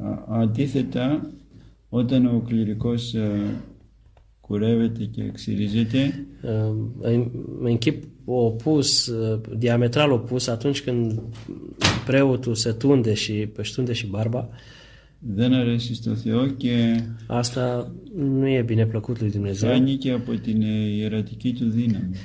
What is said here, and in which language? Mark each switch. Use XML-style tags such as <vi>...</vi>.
<el>Αντίθετα, όταν ο κληρικός κουρεύεται και ξυρίζεται,</el> <ro>în chip opus, diametral opus, atunci când preotul se tunde și peștunde și barba,</ro> <el>δεν αρέσει στο Θεό και</el> <ro>asta nu e bine plăcut lui Dumnezeu.</ro> <el>Χάνει και από την ιερατική του δύναμη.</el>